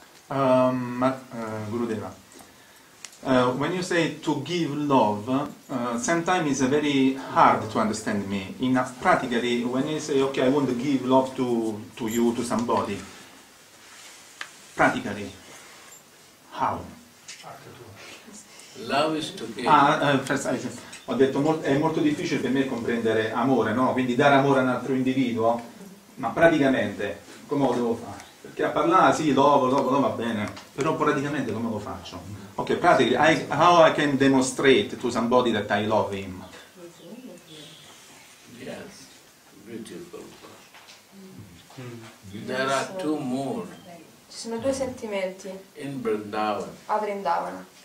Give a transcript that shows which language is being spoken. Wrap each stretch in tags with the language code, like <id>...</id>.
<en>Gurudeva, when you say to give love, sometimes it's very hard to understand me. In practically, when you say, okay, I want to give love to you, to somebody, practically, how? Love is to give.</en> <it>Ho detto è molto difficile per me comprendere amore, no? Quindi dare amore a un altro individuo, ma praticamente, come lo devo fare? Perché a parlare, sì, dopo, va bene, però praticamente come lo faccio?</it> <en>Ok,</en> <it>praticamente,</it> <en>how I can demonstrate to somebody that I love him? Yes, beautiful. There are two more.</en> <it>Ci sono due sentimenti.</it> <en>In Vrindavan.</en> <it>A Vrindavana.</it>